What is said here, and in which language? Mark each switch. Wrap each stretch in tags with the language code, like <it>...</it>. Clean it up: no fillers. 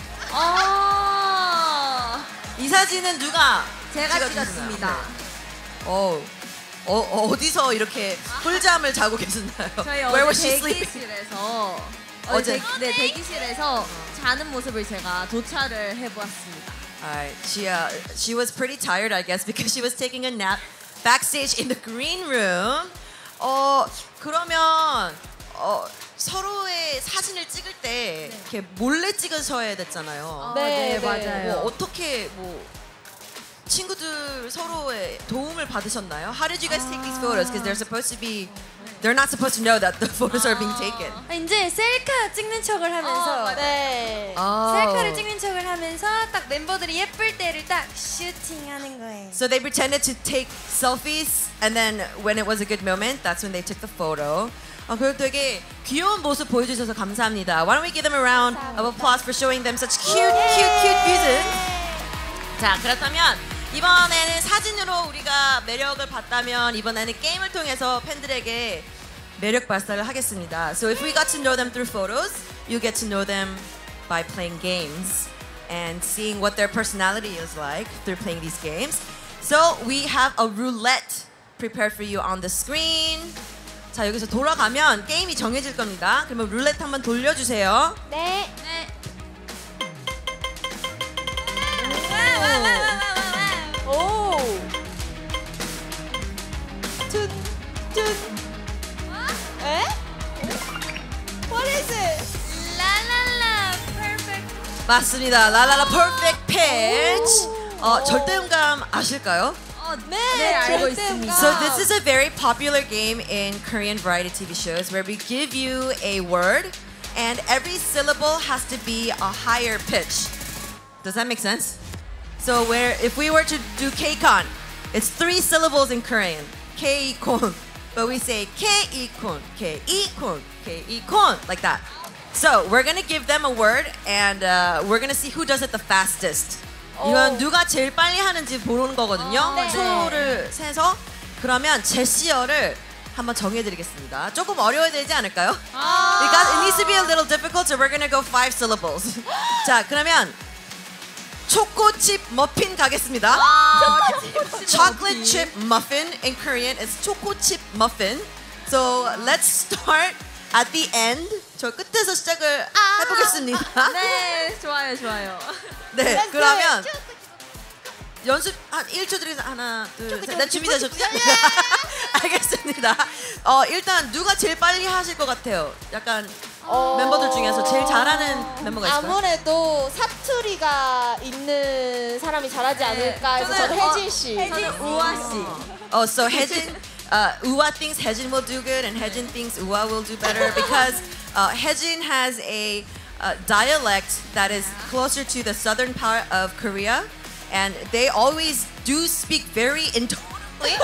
<ko>아~ 이 사진은 누가 제가 찍었습니다. 어디서 이렇게 꿀잠을 자고 계셨나요?</ko> <en>Where was she sleeping?</en> <ko>대기실에서 어제 네 대기실에서 자는 모습을 제가 도착을 해보았습니다.</ko> <en>She was pretty tired, I guess, because she was taking a nap backstage in the green room.</en> <ko>그러면 서로의 사진을 찍을 때 네. 이렇게 몰래 찍어서야 됐잖아요. 맞아요. 뭐 어떻게 뭐 친구들 서로의 도움을 받으셨나요?</ko> <en>How did you guys take these photos? Because they're supposed to be, they're not supposed to know that the photos are being taken.</en> <ko>이제 셀카 찍는 척을 하면서, 셀카를 찍는 척을 하면서 딱 멤버들이 예쁠 때를 딱 슈팅하는 거예요.</ko> <en>So they pretended to take selfies, and then when it was a good moment, that's when they took the photo.</en> <ko>그리고 되게 귀여운 모습 보여주셔서 감사합니다.</ko> <en>Why don't we give them a round</en> <ko>감사합니다.</ko> <en>of applause for showing them such cute, cute, cute music?</en> <ko>자, 그렇다면 이번에는 사진으로 우리가 매력을 봤다면 이번에는 게임을 통해서 팬들에게 매력 발산을 하겠습니다.</ko> <en>So if we got to know them through photos, you get to know them by playing games and seeing what their personality is like through playing these games. So we have a roulette prepared for you on the screen.</en> <ko>자, 여기서 돌아가면 게임이 정해질 겁니다. 그러면 룰렛 한번 돌려주세요. 네. 네. 와와와와와와 오. 쭉 쭉. 뭐? 에?</ko> <en>What is it?</en> <ko>라라라 퍼펙트. 맞습니다. 라라라 퍼펙트 패치. 절대 음감 아실까요? 네, 알고 있습니다.</ko> <en>So this is a very popular game in Korean variety TV shows where we give you a word and every syllable has to be a higher pitch. Does that make sense? So where if we were to do K-Kon, it's three syllables in Korean. K-Kon. But we say K-Kon, K-Kon, K-Kon, like that. So we're going to give them a word and we're going to see who does it the fastest.</en> <ko>이건 누가 제일 빨리 하는지 보는 거거든요. 초를 세서 그러면 제시어를 한번 정해드리겠습니다. 조금 어려워야 되지 않을까요?</ko> <en>It needs to be a little difficult, so we're gonna go five syllables.</en> <ko>자, 그러면 초코칩 머핀 가겠습니다.</ko> <en>Chocolate chip muffin in Korean is 초코칩 머핀. So let's start at the end.</en> <ko>저 끝에서 시작을 해보겠습니다. 네, 좋아요, 좋아요. 네, 그러면 연습 한 1초 드리면 하나, 둘, 셋. 네, 준비되셨죠? 알겠습니다. 일단 누가 제일 빨리 하실 것 같아요? 약간 멤버들 중에서 제일 잘하는 멤버가 있을까요? 아무래도 사투리가 있는 사람이 잘하지 않을까 해서 저는 혜진 씨. 혜진 우아 씨.</ko> <en>So 혜진, Uwa thinks Hyejin will do good and Hyejin thinks Uwa will do better because Hyejin has a dialect that is closer to the southern part of Korea and they always do speak very intonally.</en>